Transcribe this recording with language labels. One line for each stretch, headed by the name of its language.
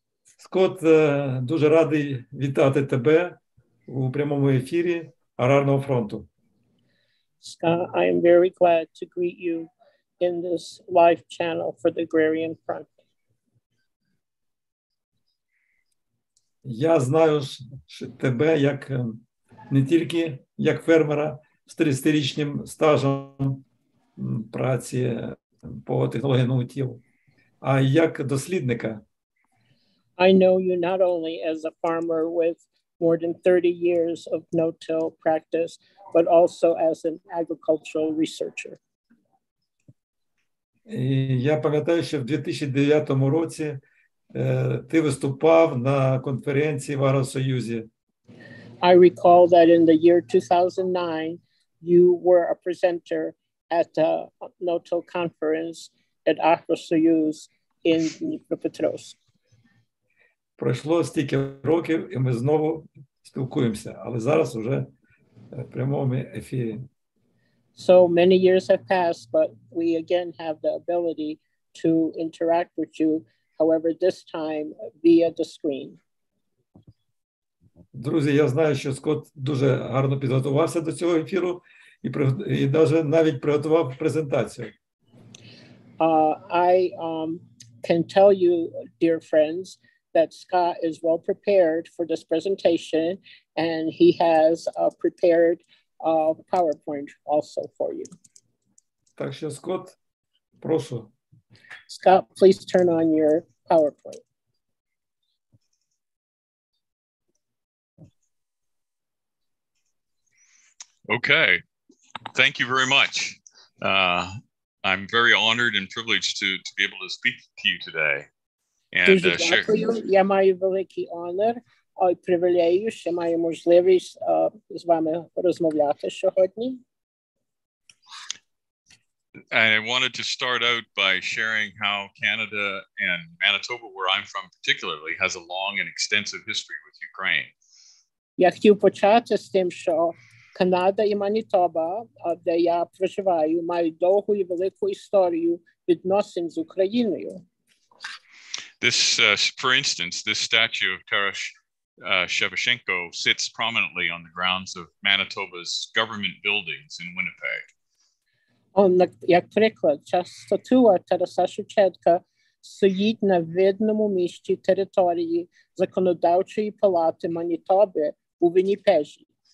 Ukrainian: Скотт, дуже радий вітати тебе у прямому ефірі Аграрного фронту.
English: Scott, I am very glad to greet you in this live channel for the Agrarian Front.
Ukrainian: Я знаю тебе як не тільки як фермера з 30-річним стажем праці по технології ноутіл, а як дослідника.
English: I know you not only as a farmer with more than 30 years of no-till practice, but also as an agricultural researcher.
Ukrainian: І я пам'ятаю, що в 2009 році ти виступав на конференції в Агросоюзі.
English: I recall that in the year 2009 you were a presenter at the no-till conference at Agросоюз in Дніпропетровськ.
Ukrainian: Пройшло стільки років, і ми знову спілкуємося, але зараз уже в прямому ефірі.
English: So many years have passed, but we again have the ability to interact with you, however, this time via the screen.
Ukrainian: Друзі, я знаю, що Скотт дуже гарно підготувався до цього ефіру, і навіть приготував презентацію.
English: I can tell you, dear friends, that Scott is well prepared for this presentation and he has prepared a PowerPoint also for you.
Ukrainian: Так що, Скотт, прошу.
English: Scott, please turn on your PowerPoint. Okay, thank you very much. I'm very honored and privileged to be able to speak to you today.
Ukrainian: And я маю великий honor, а привілею, що маю можливість з вами розмовляти сьогодні.
English: And I wanted to start out by sharing how Canada and Manitoba, where I'm from particularly, has a long and extensive history with Ukraine.
Ukrainian: Я хотів почати з тим, що Канада і Манітоба, де я проживаю, мають довгу і велику історію відносин з Україною.
English: This statue of Taras Shevchenko sits prominently on the grounds of Manitoba's government buildings in Winnipeg.
Ukrainian: Як приклад, ця статуя Тараса Шевченка стоїть на видному місці території законодавчої палати Манітоби у Вінніпезі.